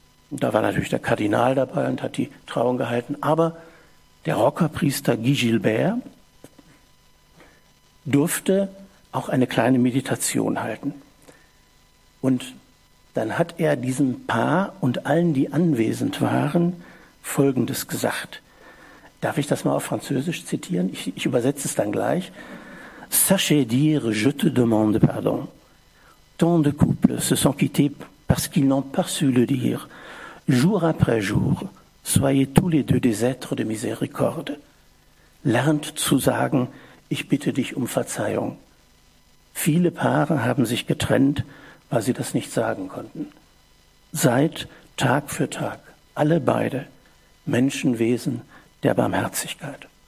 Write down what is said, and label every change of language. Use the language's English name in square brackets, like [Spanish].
[German] Da war natürlich der Kardinal dabei und hat die Trauung gehalten. Aber der Rockerpriester Guy Gilbert durfte auch eine kleine Meditation halten. Und dann hat er diesem Paar und allen, die anwesend waren, Folgendes gesagt. Darf ich das mal auf Französisch zitieren? Ich übersetze es dann gleich. [French] Sachez dire, je te demande pardon. Tant de couples se sont quittés parce qu'ils n'ont pas su le dire. Jour après jour, soyez tous les deux des êtres de miséricorde. [German] Lernt zu sagen, ich bitte dich um Verzeihung. Viele Paare haben sich getrennt, weil sie das nicht sagen konnten. Seid Tag für Tag, alle beide, Menschenwesen der Barmherzigkeit.